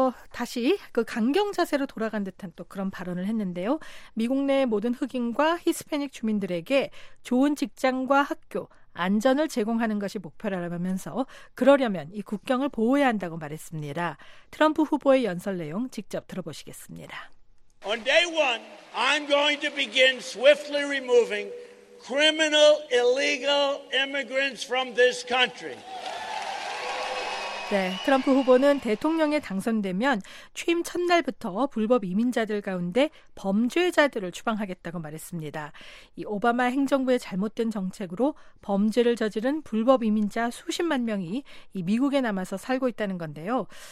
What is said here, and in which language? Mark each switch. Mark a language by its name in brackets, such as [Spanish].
[Korean] 다시 그 강경 자세로 돌아간 듯한 또 그런 발언을 했는데요. 미국 내 모든 흑인과 히스패닉 주민들에게 좋은 직장과 학교, 안전을 제공하는 것이 목표라면서 그러려면 이 국경을 보호해야 한다고 말했습니다. 트럼프 후보의 연설 내용 직접 들어보시겠습니다. [English] On day one, I'm going to begin swiftly removing criminal, illegal immigrants from this country. [Korean] 네, 트럼프 후보는 대통령에 당선되면 취임 첫날부터 불법 이민자들 가운데 범죄자들을 추방하겠다고 말했습니다. 이 오바마 행정부의 잘못된 정책으로 범죄를 저지른 불법 이민자 수십만 명이 이 미국에 남아서 살고 있다는 건데요.